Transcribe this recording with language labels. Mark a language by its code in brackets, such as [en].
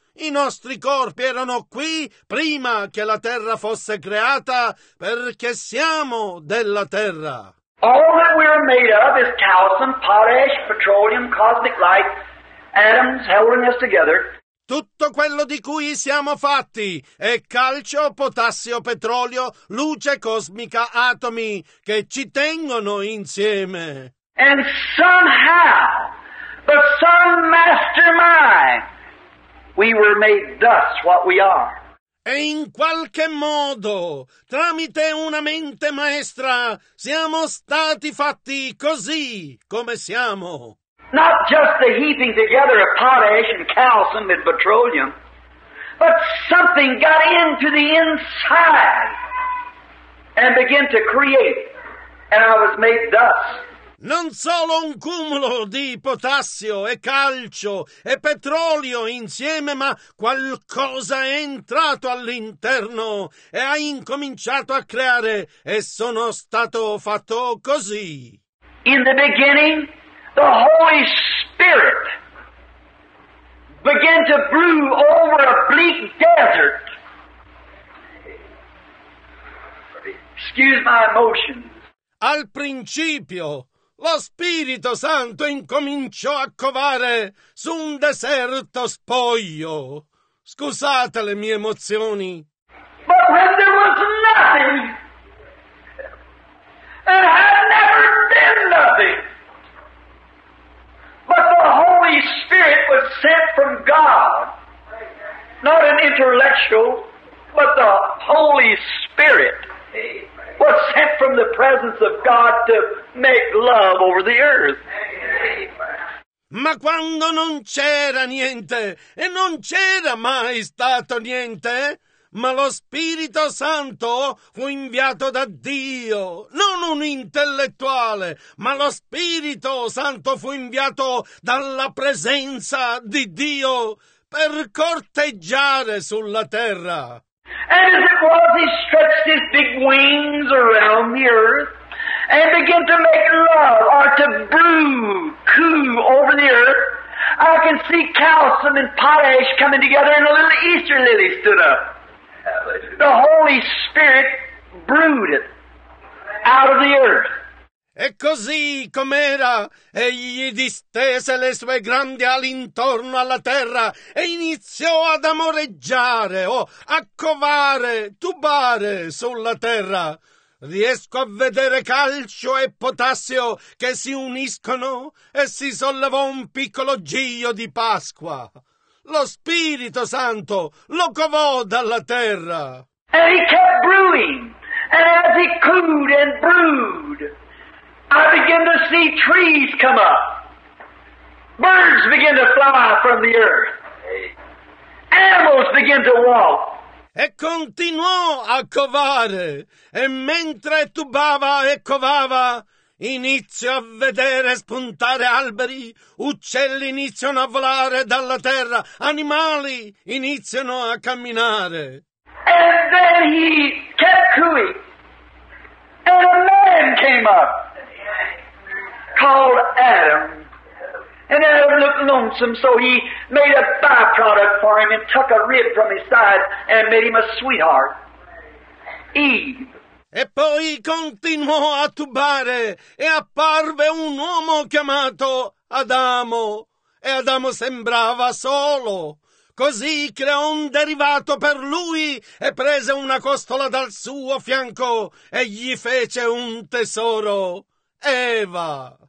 [it] I nostri corpi erano qui prima che la terra fosse creata, perché siamo della terra. [en] All that we are made of is calcium, potash, petroleum, cosmic light. Atoms holding us together. [it] Tutto quello di cui siamo fatti è calcio, potassio, petrolio, luce cosmica, atomi che ci tengono insieme. [en] And somehow, but some mastermind, we were made thus what we are. [it] E in qualche modo, tramite una mente maestra, siamo stati fatti così come siamo. [en] Not just the heaping together of potash and calcium and petroleum, but something got into the inside and began to create, and I was made thus. [it] Non solo un cumulo di potassio e calcio e petrolio insieme, ma qualcosa è entrato all'interno e ha incominciato a creare, e sono stato fatto così. [en] In the beginning, the Holy Spirit began to brew over a bleak desert. Excuse my emotions. [it] Al principio, lo Spirito Santo incominciò a covare su un deserto spoglio. Scusate le mie emozioni. [en] But when there was nothing, it had never been nothing. But the Holy Spirit was sent from God, not an intellectual, but the Holy Spirit was sent from the presence of God to make love over the earth. [it] Ma quando non c'era niente e non c'era mai stato niente, ma lo Spirito Santo fu inviato da Dio, non un intellettuale, ma lo Spirito Santo fu inviato dalla presenza di Dio per corteggiare sulla terra. [en] And as it was, he stretched his big wings around the earth and began to make love, or to coo over the earth. I can see calcium and potash coming together, and a little Easter lily stood up. The Holy Spirit brewed it out of the earth. [it] E così com'era, egli distese le sue grandi ali intorno alla terra e iniziò ad amoreggiare, a covare, tubare sulla terra. Riesco a vedere calcio e potassio che si uniscono e si sollevò un piccolo giglio di Pasqua. Lo Spirito Santo lo covò dalla terra. [en] And he kept brewing, and as he cooed and brewed, I began to see trees come up. Birds begin to fly from the earth. Animals begin to walk. [it] E continuò a covare, e mentre tubava e covava, inizio a vedere spuntare alberi, uccelli iniziano a volare dalla terra, animali iniziano a camminare. [en] And then he kept cooing, and a man came up, called Adam. And Adam looked lonesome, so he made a byproduct for him and took a rib from his side and made him a sweetheart, Eve. [it] E poi continuò a tubare e apparve un uomo chiamato Adamo. E Adamo sembrava solo. Così creò un derivato per lui e prese una costola dal suo fianco e gli fece un tesoro, Eva.